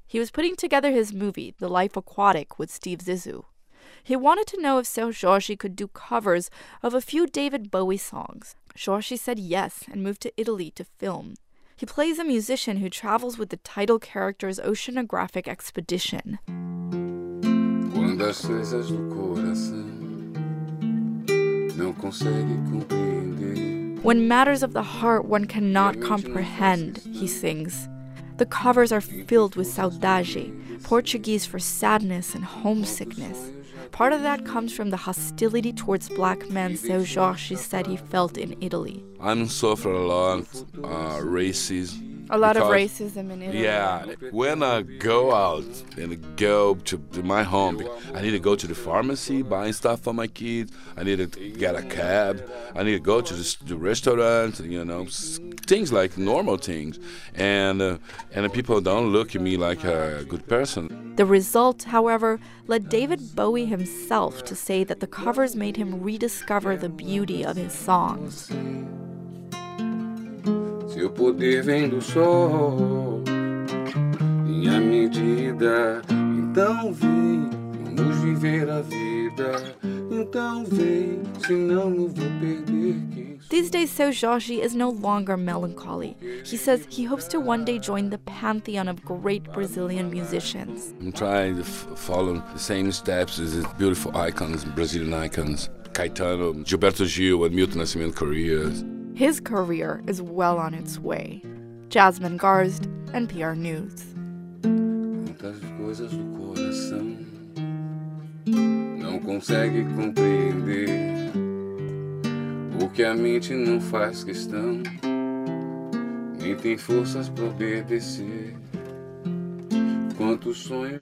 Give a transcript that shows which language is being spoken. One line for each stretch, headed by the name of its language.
English: He was putting together his movie, The Life Aquatic, with Steve Zissou. He wanted to know if Seu Jorge could do covers of a few David Bowie songs. Jorge said yes and moved to Italy to film. He plays a musician who travels with the title character's oceanographic expedition.
Portuguese: Quando as coisas do coração não consegue compreender.
English: When matters of the heart one cannot comprehend, he sings. The covers are filled with saudade, Portuguese for sadness and homesickness. Part of that comes from the hostility towards black men Seu Jorge said he felt in Italy. I suffer a lot of racism. A lot of racism in Italy. Yeah, when I go out and go to my home, I need to go to the pharmacy, buying stuff for my kids. I need to get a cab. I need to go to the restaurant, you know, things like normal things. And people don't look at me like a good person. The result, however, led David Bowie himself to say that the covers made him rediscover the beauty of his songs.
Portuguese: Seu poder vem do sol, minha medida, então vem, vamos viver a vida, então vem, senão eu vou perder.
English: These days, Seu Jorge is no longer melancholy. He says he hopes to one day join the pantheon of great Brazilian musicians. I'm trying to follow the same steps as his beautiful icons, Brazilian icons, Caetano, Gilberto Gil, and Milton Nascimento Correa. His career is well on its way. Jasmine Garst, NPR News.
Portuguese: Quantas coisas do coração não consegue compreender. Porque a mente não faz questão, nem tem forças pra obedecer. Quantos sonhos.